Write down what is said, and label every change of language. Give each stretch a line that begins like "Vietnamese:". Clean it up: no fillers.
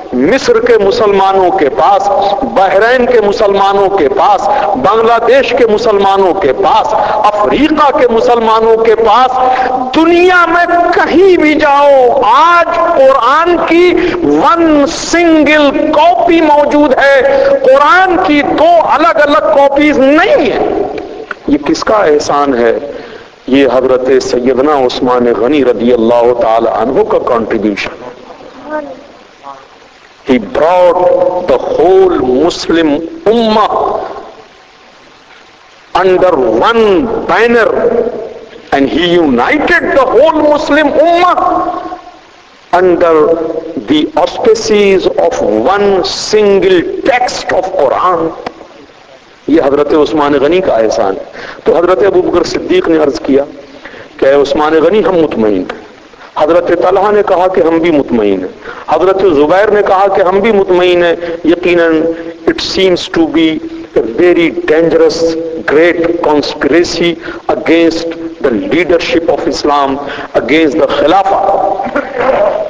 Urdu: مصر کے مسلمانوں کے پاس, بحرین کے مسلمانوں کے پاس, بنگلہ دیش کے مسلمانوں کے پاس, افریقہ کے مسلمانوں کے پاس, دنیا میں کہیں بھی جاؤ آج قرآن کی
English: one single copy
Urdu: موجود ہے, قرآن کی دو الگ الگ کاپیز نہیں ہیں. یہ کس کا احسان ہے؟ یہ حضرت سیدنا عثمان غنی رضی اللہ تعالی عنہ کا contribution.
English: He brought the whole Muslim ummah under one banner and he united the whole Muslim ummah under the auspices of one single text of Quran.
Urdu: یہ حضرت عثمان غنی کا احسان ہے. تو حضرت ابوبکر صدیق نے عرض کیا کہ اے عثمان غنی ہم مطمئن ہیں, حضرت طلحہ نے کہا کہ ہم بھی مطمئن ہیں, حضرت زبیر نے کہا کہ ہم بھی مطمئن ہیں, یقیناً
English: It seems to be a very dangerous great conspiracy against the leadership of Islam, against the خلافہ.